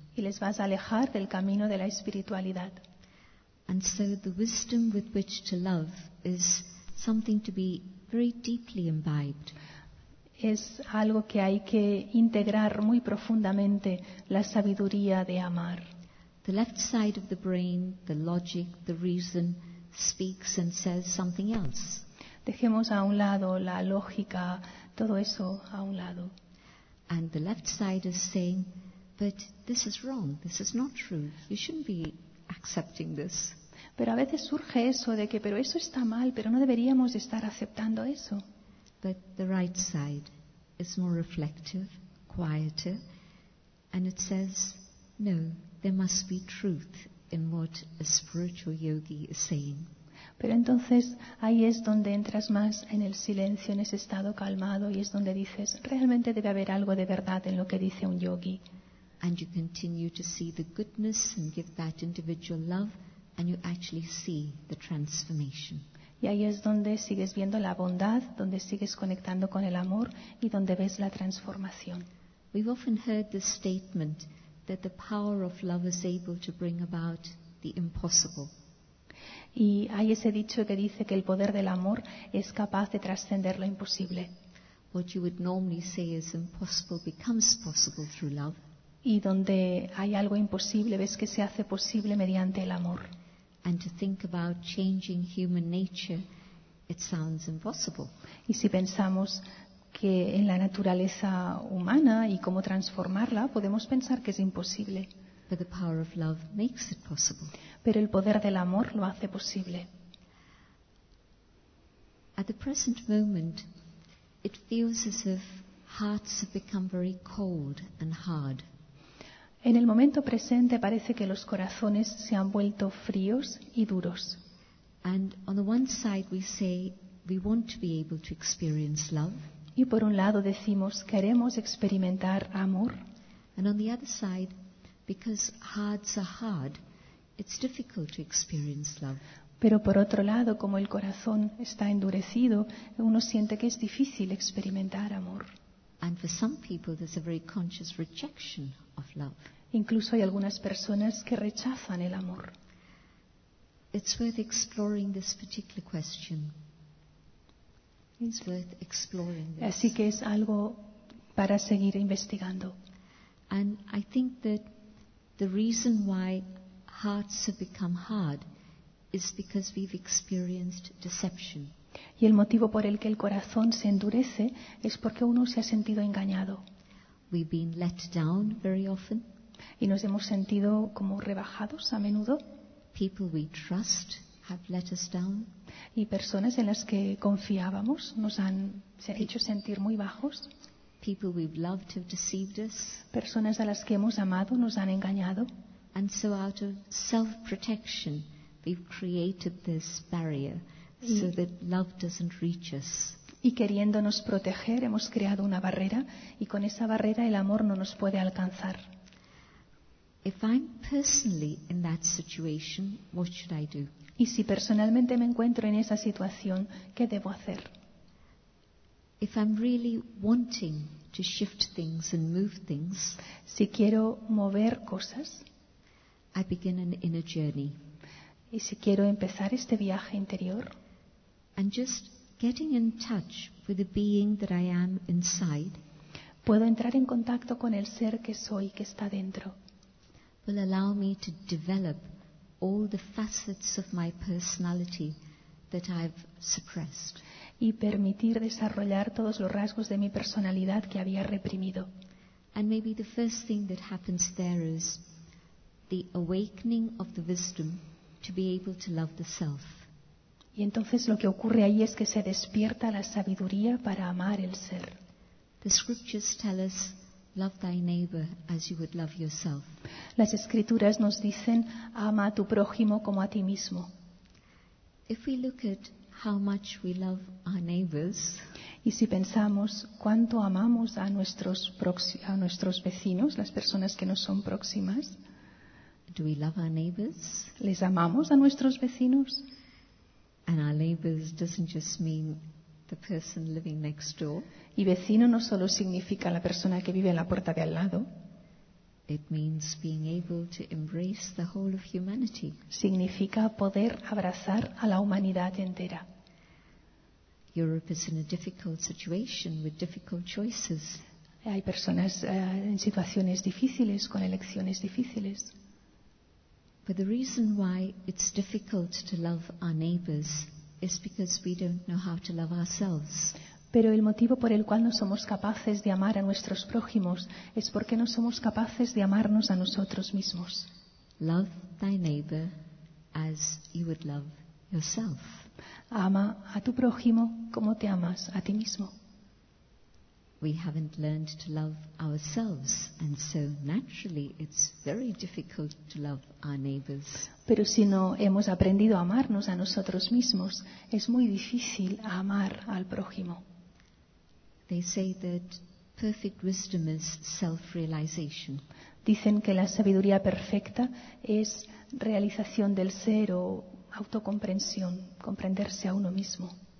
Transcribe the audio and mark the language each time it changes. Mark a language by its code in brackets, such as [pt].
[es] Y les vas a alejar del camino de la espiritualidad. [en] And so the wisdom with which to love is something to be very deeply imbibed. [es] Es algo que hay que integrar muy profundamente, la sabiduría de amar. [en] The left side of the brain, the logic, the reason, speaks and says something else. [es] Dejemos a un lado la lógica, todo eso a un lado. [en] And the left side is saying, but this is wrong, this is not true, you shouldn't be accepting this. [es] Pero a veces surge eso de que, pero eso está mal, pero no deberíamos estar aceptando eso. [en] But the right side is more reflective, quieter, and it says, no, there must be truth in what a spiritual yogi is saying. [es] Pero entonces ahí es donde entras más en el silencio, en ese estado calmado, y es donde dices realmente debe haber algo de verdad en lo que dice un yogi. [en] And you continue to see the goodness and give that individual love, and you actually see the transformation. [es] Y ahí es donde sigues viendo la bondad, donde sigues conectando con el amor y donde ves la transformación. [en] We've often heard this statement that the power of love is able to bring about the impossible. [es] Y hay ese dicho que dice que el poder del amor es capaz de trascender lo imposible. [en] What you would normally say is impossible becomes possible through love. [es] Y donde hay algo imposible ves que se hace posible mediante el amor. [en] And to think about changing human nature, it sounds impossible. [es] Y si pensamos que en la naturaleza humana y cómo transformarla, podemos pensar que es imposible. [en] But the power of love makes it possible. [es] Pero el poder del amor lo hace posible. [en] At the present moment, it feels as if hearts have become very cold and hard. [es] En el momento presente parece que los corazones se han vuelto fríos y duros. [en] And on the one side we say, We want to be able to experience love. [es] Y por un lado decimos, queremos experimentar amor. [en] And on the other side, because hearts are hard, it's difficult to experience love. [es] Pero por otro lado, como el corazón está endurecido, uno siente que es difícil experimentar amor. [en] And for some people, there's a very conscious rejection of love. [es] Incluso hay algunas personas que rechazan el amor. [en] It's worth exploring this particular question. It's worth exploring this. [es] Así que es algo para seguir investigando. [en] And I think that the reason why hearts have become hard is because we've experienced deception. [es] Y el motivo por el que el corazón se endurece es porque uno se ha sentido engañado. [en] We've been let down very often. [es] Y nos hemos sentido como rebajados a menudo. [en] People we trust have let us down. [es] Y personas en las que confiábamos nos han hecho sentir muy bajos. [en] People we've loved have deceived us. [es] Personas a las que hemos amado nos han engañado. [en] And so out of self-protection, we've created this barrier so that love doesn't reach us. [es] Y queriéndonos proteger, hemos creado una barrera, y con esa barrera el amor no nos puede alcanzar. [en] If I'm personally in that situation, what should I do? [es] Y si personalmente me encuentro en esa situación, ¿qué debo hacer? [en] If I'm really wanting to shift things and move things, [es] si quiero mover cosas, [en] I begin an inner journey. [es] Y si quiero empezar este viaje interior, [en] and just getting in touch with the being that I am inside, [es] puedo entrar en contacto con el ser que soy, que está dentro, [en] will allow me to develop all the facets of my personality that I've suppressed. [es] Y permitir desarrollar todos los rasgos de mi personalidad que había reprimido. [en] And maybe the first thing that happens there is the awakening of the wisdom to be able to love the self. [es] Y entonces lo que ocurre ahí es que se despierta la sabiduría para amar el ser. [en] The scriptures tell us, love thy neighbor as you would love yourself. [es] Las escrituras nos dicen, ama a tu prójimo como a ti mismo. [en] If we look at how much we love our neighbors, [es] y si pensamos cuánto amamos a nuestros vecinos, las personas que nos son próximas, [en] do we love our neighbors? [es] ¿Les amamos a nuestros vecinos? [en] And our neighbors doesn't just mean the person living next door. [es] Y vecino no solo significa la persona que vive en la puerta de al lado. [en] It means being able to embrace the whole of humanity. [es] Significa poder abrazar a la humanidad entera. [en] Europe is in a difficult situation with difficult choices. [es] Hay personas en situaciones difíciles con elecciones difíciles. [en] But the reason why it's difficult to love our neighbors is because we don't know how to love ourselves. [es] Pero el motivo por el cual no somos capaces de amar a nuestros prójimos es porque no somos capaces de amarnos a nosotros mismos. [en] Love thy neighbor as you would love yourself. [es] Ama a tu prójimo como te amas a ti mismo. [en] We haven't learned to love ourselves, and so naturally it's very difficult to love our neighbors. [es] Pero si no hemos aprendido a amarnos a nosotros mismos, es muy difícil amar al prójimo. [en] They say that perfect wisdom is self-realization. [es] Dicen que la sabiduría perfecta es realización del ser o autocomprensión, comprenderse a uno mismo.